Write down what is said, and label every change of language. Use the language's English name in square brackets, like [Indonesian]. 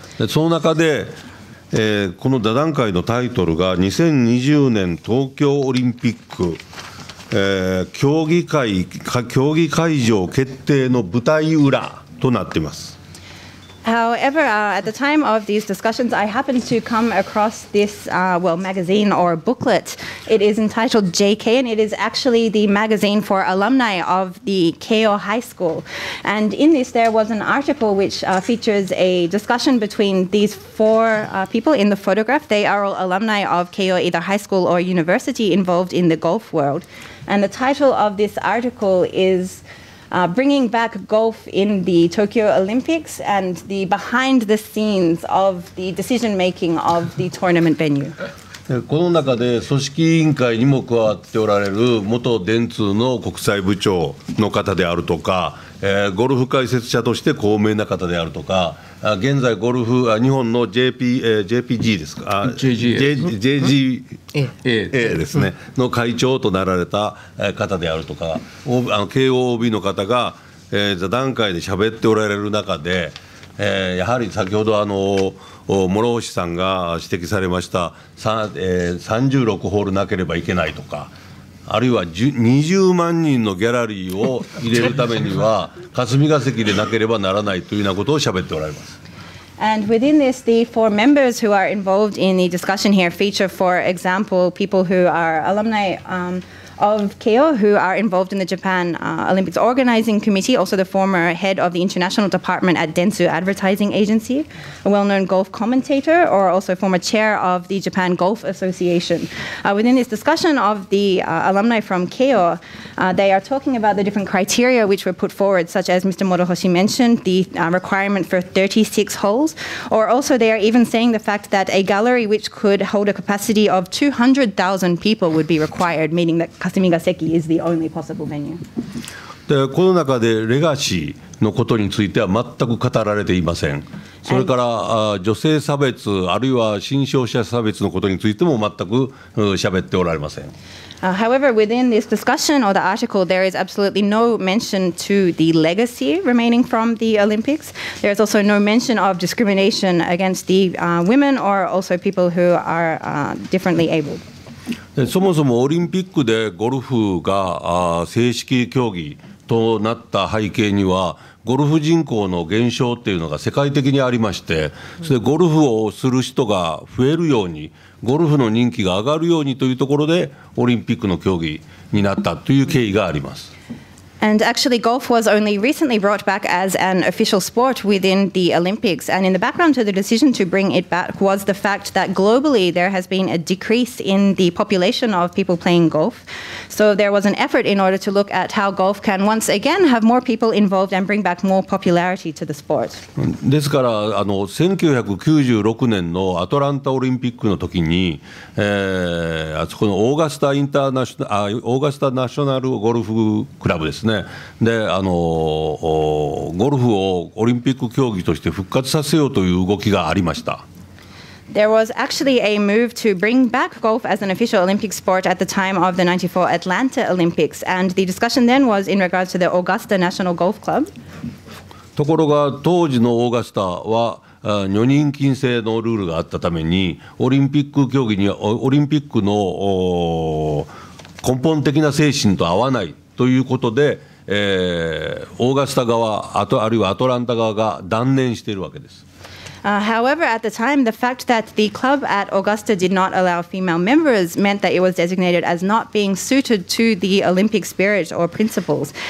[Japanese] でその中で、この座談会のタイトルが2020年東京オリンピック、競技会場決定の舞台裏となっています。 [English] However, at the time of these discussions, I happened to come across this magazine or booklet. It is entitled JK, and it is actually the magazine for alumni of the Keio High School. And in this, there was an article which features a discussion between these four people in the photograph. They are all alumni of Keio, either high school or university, involved in the golf world. And the title of this article is Bringing Back Golf in the Tokyo Olympics and the Behind the Scenes of the Decision Making of the Tournament Venue. [Japanese] この中で組織委員会にも加わっておられる元電通の国際部長の方であるとか、ゴルフ解説者として高名な方であるとか、現在ゴルフ日本の JPG ですか、JGA ですねの会長となられた方であるとか、慶応OBの方が座談会で喋っておられる中で、やはり先ほど諸星さんが指摘されました36ホールなければいけないとか、あるいは20万人のギャラリーを入れるためには霞が関でなければならないというようなことを喋っておられます。 [English] And within this, the four members who are involved in the discussion here feature, for example, people who are alumni of Keio, who are involved in the Japan Olympics Organizing Committee, also the former head of the International Department at Dentsu Advertising Agency, a well-known golf commentator, or also former chair of the Japan Golf Association. Within this discussion of the alumni from Keio, they are talking about the different criteria which were put forward, such as Mr. Morohoshi mentioned, the requirement for 36 holes, or also they are even saying the fact that a gallery which could hold a capacity of 200,000 people would be required, meaning that Kasumigaseki is the only possible venue. [Japanese] で、この中でレガシーのことについては全く語られていません。それから、女性差別あるいは新商社差別のことについても全く喋っておられません。 [English] However, within this discussion or the article, there is absolutely no mention to the legacy remaining from the Olympics. There is also no mention of discrimination against the women or also people who are differently abled. [Japanese] そもそもオリンピックでゴルフが正式競技となった背景にはゴルフ人口の減少っていうのが世界的にありまして、それでゴルフをする人が増えるようにゴルフの人気が上がるようにというところでオリンピックの競技になったという経緯があります。 [English] And actually, golf was only recently brought back as an official sport within the Olympics. And in the background to the decision to bring it back was the fact that globally there has been a decrease in the population of people playing golf. So there was an effort in order to look at how golf can once again have more people involved and bring back more popularity to the sport. [Japanese] ですから、1996年のアトランタオリンピックの時に、あそこのオーガスタナショナルゴルフクラブです。でゴルフをオリンピック競技として復活させようという動きがありました。 [English] There was actually a move to bring back golf as an official Olympic sport at the time of the 94 Atlanta Olympics, and the discussion then was in regards to the Augusta National Golf Club. [Japanese] ところが当時のオーガスタは女人禁制のルールがあったためにオリンピック競技にはオリンピックの根本的な精神と合わない。ということで、オーガスタ側、あるいはアトランタ側が断念しているわけです。 [English] However, at the time, the fact that the club at Augusta did not allow female members meant that it was designated as not being suited to the Olympic spirit or principles.